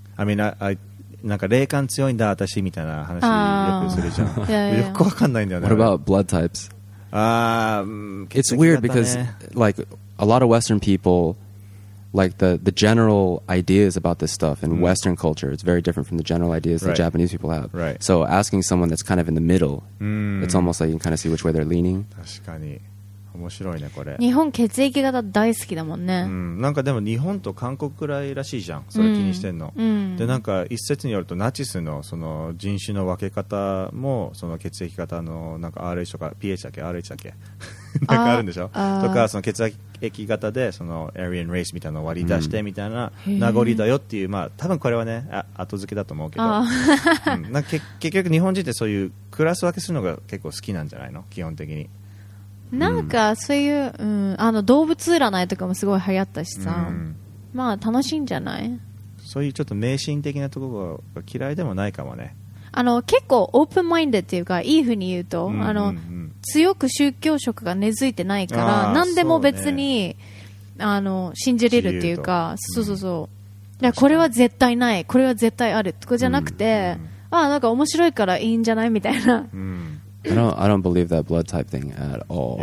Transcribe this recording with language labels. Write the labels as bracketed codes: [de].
[en] I mean, [ja] なんか霊感強いんだ私みたいな話よくするじゃん。よくわかんないんだよね。 [en] What about blood types? It's weird because like a lot of Western people, like the general ideas about this stuff in Western culture, it's very different from the general ideas that Japanese people have. Right. So asking someone that's kind of in the middle, it's almost like you can kind of see which way they're leaning. [ja] 確かに面白いねこれ。日本血液型大好きだもんね。なんかでも日本と韓国くらいらしいじゃん。それ気にしてんの。でなんか一説によるとナチスのその人種の分け方もその血液型のなんか R H とか P H だっけ R H だっけなんかあるんでしょ。とかその血液液型でそのアリアンレースみたいなのを割り出してみたいな名残だよっていう、まあ多分これはね後付けだと思うけど、なんか結局日本人ってそういうクラス分けするのが結構好きなんじゃないの基本的に。なんかそういう、あの動物占いとかもすごい流行ったしさ、まあ楽しいんじゃない。そういうちょっと迷信的なところが嫌いでもないかもね。あの結構オープンマインドっていうかいい風に言うと、うんうんうん、あの強く宗教色が根付いてないから何でも別に、ね、あの信じれるっていうか、そうそうそう、うん、いやこれは絶対ない、これは絶対あるとかじゃなくて、うんうん、あなんか面白いからいいんじゃないみたいな、 [en] うん、I don't believe that blood type thing at all.